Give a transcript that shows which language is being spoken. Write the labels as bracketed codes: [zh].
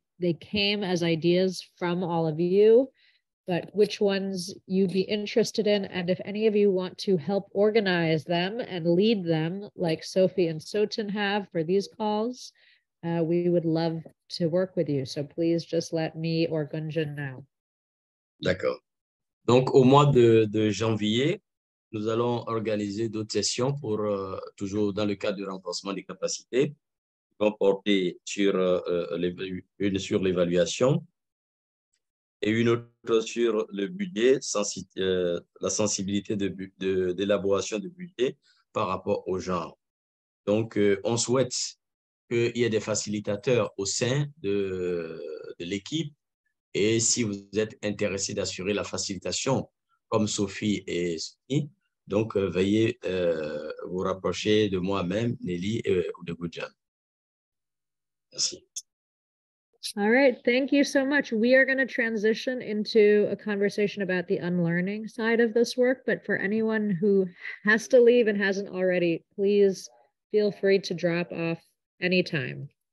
[en] They came as ideas from all of you, but which ones you'd be interested in, and if any of you want to help organize them and lead them, like Sophie and Sotin have for these calls, we would love to work with you. So please just let me or Gunjan know. [fr] D'accord. Donc au mois de janvier, nous allons organiser d'autres sessions pour toujours dans le cadre du renforcement des capacités. vont porter sur une sur l'évaluation et une autre sur le budget, la sensibilité d'élaboration du budget par rapport au genre. Donc, on souhaite qu'il y ait des facilitateurs au sein de l'équipe et si vous êtes intéressé d'assurer la facilitation, comme Sophie et Sophie, donc veuillez vous rapprocher de moi-même, Nelly ou de Gujan. Merci. [en] All right, thank you so much. We are going to transition into a conversation about the unlearning side of this work, but for anyone who has to leave and hasn't already, please feel free to drop off anytime.